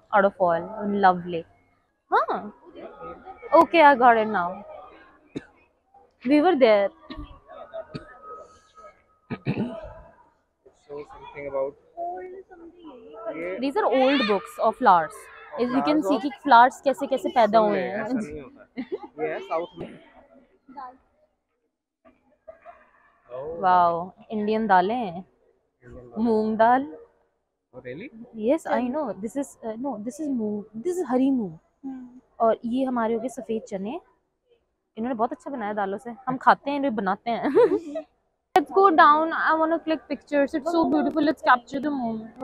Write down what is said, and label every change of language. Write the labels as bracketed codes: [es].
[en] Out of all. Lovely. Huh? Okay, I got it now. We were there. something about. These are old books of flowers. Flowers you can see [hi] कि flowers कैसे कैसे पैदा हुए हैं. ऐसा नहीं होता. [en] Yeah, south में. Oh. Wow, Indian [hi] dalen hain. [en] Moong dal. Really? Yes, I know. This is no, this is moong. This is hari moong. [hi] और ये हमारे हो गए सफेद चने. इन्होंने बहुत अच्छा बनाया दालों से. हम खाते हैं, बनाते हैं. [en] Let's go down. I want to click pictures. It's so beautiful. Let's capture the moment.